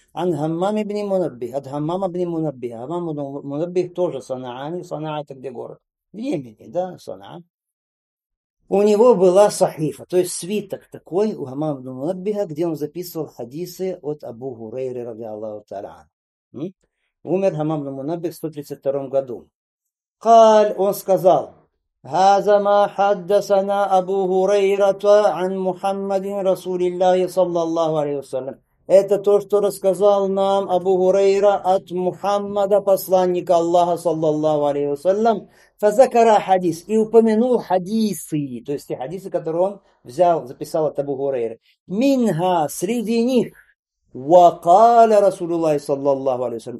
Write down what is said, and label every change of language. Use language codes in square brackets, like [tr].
[ru] Ан Хаммам ибни Мунаббих, ад Хаммам ибни Мунаббих, Хаммам ибни Мунаббих, тоже Санаани, Санаа это где город? В Йемене, да, Санаа. У него была сахифа, то есть свиток такой у Хаммам ибни Мунаббиха, где он записывал хадисы от Абу Гурейры, ради Аллаху Таран. Умер Хаммам ибни Мунаббих в 132 году. [ar] Каль, [ru] он сказал, [ar] هذا ما حدثنا أبو هريرة عن محمد رسول الله صلى الله عليه وسلم. [ru] Это то, что рассказал нам Абу Хурейра от Мухаммада, посланника Аллаха, саллаллаху алейхи вассалям. [ar] Фазакара хадис. [ru] И упомянул хадисы. То есть те хадисы, которые он взял, записал от Абу Хурейра. Минха, среди них. [ar] Вакаля Расулуллахи саллаллаху алейхи вассалям.